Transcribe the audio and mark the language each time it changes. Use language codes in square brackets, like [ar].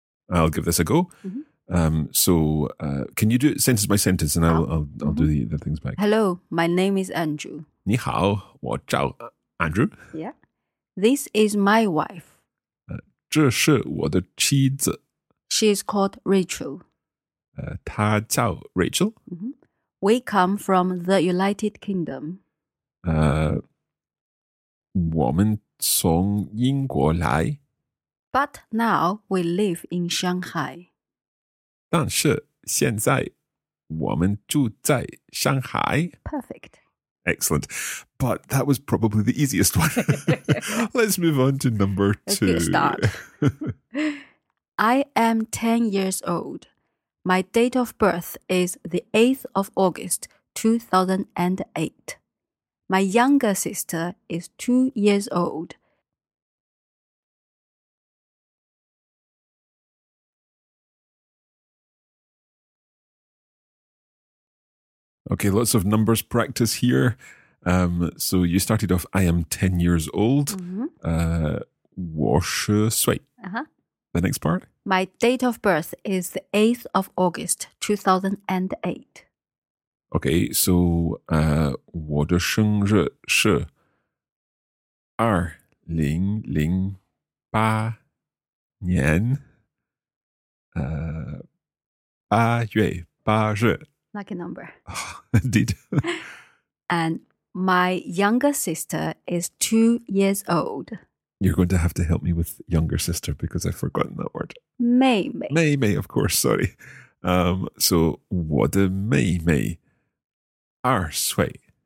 [en] I'll give this a go. Can you do it sentence by sentence, and I'll do the things back. Hello, my name is Andrew. [zh] 你好，我叫 Andrew. [en] Yeah. This is my wife. [zh] 这是我的妻子. [en] She is called Rachel. [zh] 她叫 Rachel. [en] We come from the United Kingdom. [zh] 我们从英国来。 [en] But now we live in Shanghai. [zh] 但是现在我们住在上海。 [en] Perfect. Excellent. But that was probably the easiest one. Let's move on to number two. Let's get a start. I am 10 years old. My date of birth is the 8th of August, 2008. My younger sister is 2 years old. Okay, lots of numbers practice here. So you started off, I am 10 years old. Wash sweet. The next part? My date of birth is the 8th of August, 2008. Okay, so [zh] 我的生日是二零零八年八月八日。 [en] Lucky number. Indeed. And my younger sister is 2 years old. You're going to have to help me with younger sister because I've forgotten that word. [zh] 妹妹。 [en] 妹妹, of course, sorry. [zh] So 我的妹妹。二岁，